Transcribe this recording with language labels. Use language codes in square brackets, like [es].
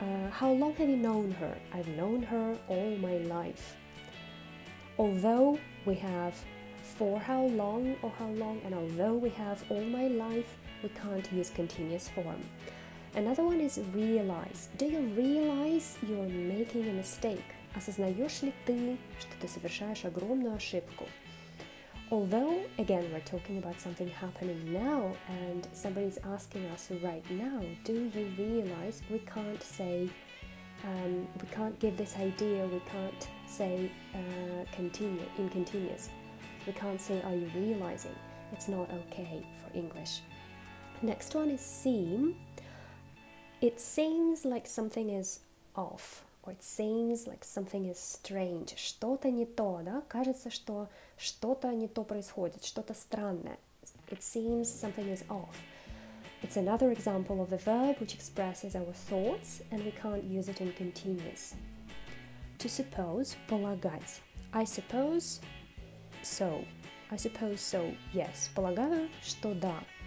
[en] How long have you known her? I've known her all my life. Although we have for how long or how long, and although we have all my life, we can't use continuous form. Another one is realize. Do you realize you're making a mistake? [ru] Осознаешь ли ты, что ты совершаешь огромную ошибку? [en] Although, again, we're talking about something happening now and somebody's asking us right now, do you realize we can't say, we can't give this idea, we can't say in continuous. We can't say, are you realizing? It's not okay for English. Next one is seem. It seems like something is off, or it seems like something is strange. [ru] Что-то не то, да? Кажется, что что-то не то происходит, что-то странное. [en] It seems something is off. It's another example of the verb which expresses our thoughts, and we can't use it in continuous. To suppose, полагать. I suppose so, yes. [ru] Полагаю, что да.